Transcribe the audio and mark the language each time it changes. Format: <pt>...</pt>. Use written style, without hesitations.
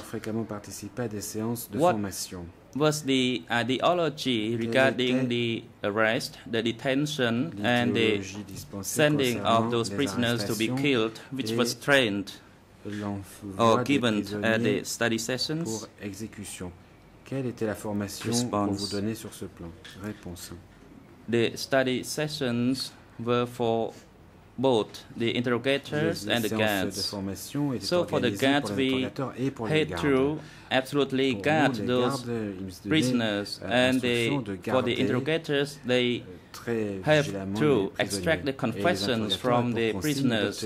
<fr>formation.</fr> <en>Was the ideology regarding the arrest, the detention, and the sending of those prisoners to be killed, which was trained or given at the study sessions?</en> <fr>Pour exécution. Quelle était la formation qu'on vous donnait sur ce plan? Réponse.</fr> <en>The study sessions were for both the interrogators and the guards. So for the guards, we had to absolutely guard those prisoners, and for the interrogators, they have to extract the confessions from the prisoners.</en>